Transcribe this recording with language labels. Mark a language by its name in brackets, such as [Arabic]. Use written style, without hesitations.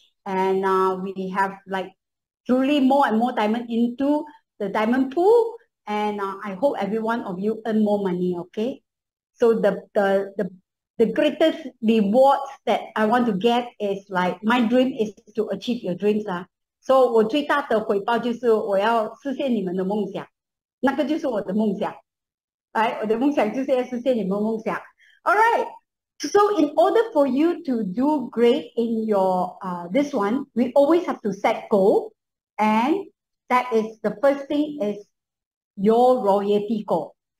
[English] And we have like truly more and more diamond into the diamond pool. And I hope every one of you earn more money. Okay. So the greatest rewards that I want to get is like my dream is to achieve your dreams. [Chinese] So 我最大的回报就是我要实现你们的梦想，那个就是我的梦想。哎，我的梦想就是要实现你们的梦想. [English] All right. So in order for you to do great in your this one, we always have to set goal, and that is the first thing is your royalty goal.